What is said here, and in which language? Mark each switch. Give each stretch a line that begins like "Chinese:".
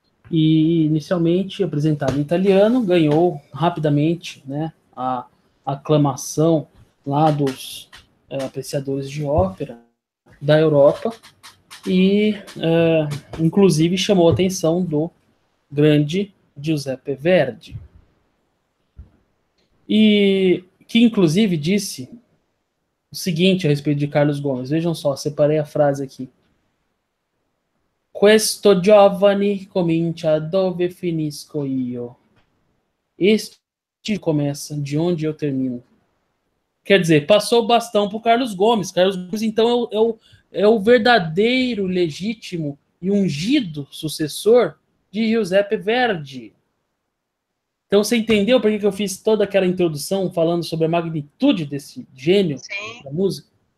Portuguese: E inicialmente apresentado em italiano, ganhou rapidamente, né, a aclamação lá dos apreciadores de ópera da Europa e, inclusive, chamou a atenção do grande Giuseppe Verdi, e que inclusive disse o seguinte a respeito de Carlos Gomes. Vejam só, separei a frase aqui.
Italian: Questo giovane comincia dove finisco io.
Portuguese: Este começa de onde eu termino. Quer dizer, passou o bastão para o Carlos Gomes. Carlos Gomes, então, é o verdadeiro, legítimo e ungido sucessor de Giuseppe Verdi. Então, você entendeu por que eu fiz toda aquela introdução falando sobre a magnitude desse gênio da música?